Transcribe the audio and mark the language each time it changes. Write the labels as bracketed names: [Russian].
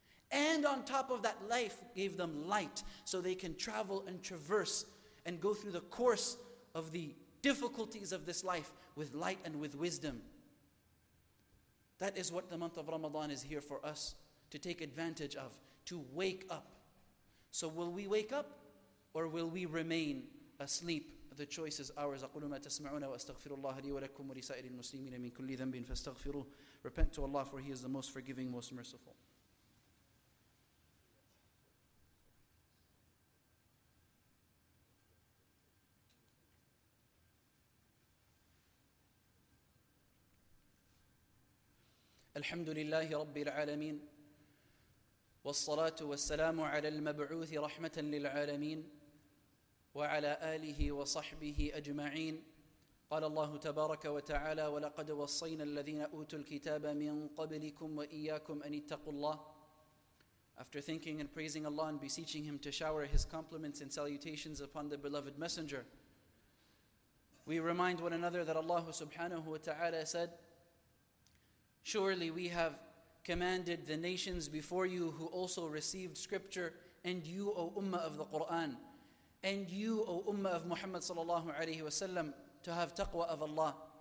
[English] And on top of that, life gave them light so they can travel and traverse and go through the course of the difficulties of this life with light and with wisdom. That is what the month of Ramadan is here for us to take advantage of, to wake up. So will we wake up or will we remain asleep? The choice is ours. [Arabic] أقول ما تسمعون وأستغفر الله لي ولكم ولسائر المسلمين من كل ذنب فاستغفروه. [English] Repent to Allah, for He is the most forgiving, most merciful. [Arabic] الحمد لله رب العالمين والصلاة والسلام على المبعوث رحمة للعالمين وعلى آله وصحبه أجمعين. قال الله تبارك وتعالى ولقد وصينا الذين أوتوا الكتاب من قبلكم وإياكم أن اتقوا الله. [English] After thanking and praising Allah and beseeching Him to shower His compliments and salutations upon the beloved messenger, we remind one another that Allah subhanahu wa ta'ala said, surely we have commanded the nations before you who also received scripture, and you, O Ummah of the Quran, and you, O Ummah of Muhammad sallallahu alayhi wa sallam, to have taqwa of Allah.